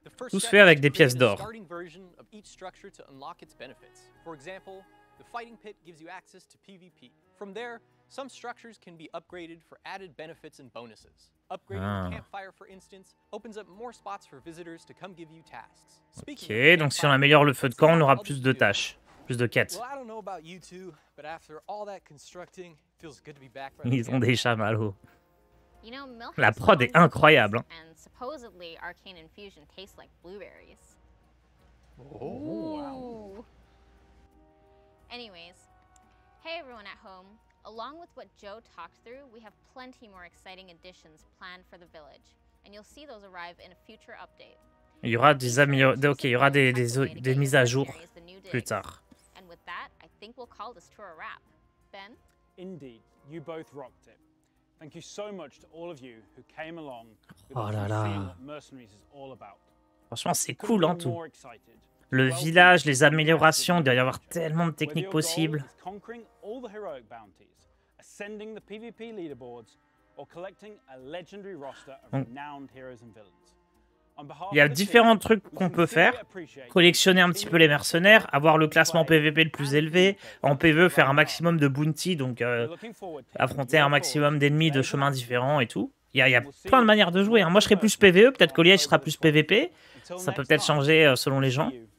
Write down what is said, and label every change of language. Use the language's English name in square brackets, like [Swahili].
[French] Tout se fait avec des pièces d'or. [English] For example, the fighting pit gives you access to PvP. From there, some structures can be upgraded for added benefits and bonuses. Upgrading the campfire, for instance, opens up more spots for visitors to come give you tasks. [French] OK, donc si on améliore le feu de camp, on aura plus de tâches, plus de quêtes. [English] Well, I don't know about you two, but after all that constructing, it feels good to be back. [French] Ils ont déjà mal au. La prod est incroyable. [English] And supposedly arcane infusion tastes like blueberries. Oh wow. Anyways, hey everyone at home, along with what Joe talked through, we have plenty more exciting additions planned for the village, and you'll see those arrive in a future update. [French] Il y aura des améliorations, OK, il y aura des mises à jour plus tard. [English] And with that, I think we'll call this tour a wrap. Ben? Indeed, you both rocked it. Thank you so much to all of you who came along. [French] Oh là là. [English] Mercenaries is all about. [French] Franchement, c'est cool hein tout. Le village, les améliorations, il doit y avoir tellement de techniques possibles. [English] Conquering all the heroic bounties, ascending the PvP leaderboards, or collecting a legendary roster of renowned heroes and villains. [French] Il y a différents trucs qu'on peut faire, collectionner un petit peu les mercenaires, avoir le classement PVP le plus élevé, en PVE faire un maximum de bounty, donc affronter un maximum d'ennemis de chemins différents et tout. Il y a plein de manières de jouer, hein. Moi je serai plus PVE, peut-être que Liège sera plus PVP, ça peut peut-être changer selon les gens.